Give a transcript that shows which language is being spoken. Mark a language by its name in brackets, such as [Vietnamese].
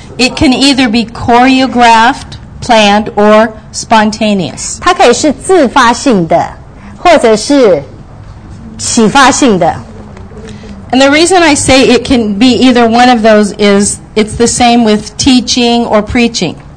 [English] It can either be choreographed, planned, or spontaneous. [Chinese] 它可以是自发性的，或者是启发性的。 [English] And the reason I say it can be either one of those is it's the same with teaching or preaching.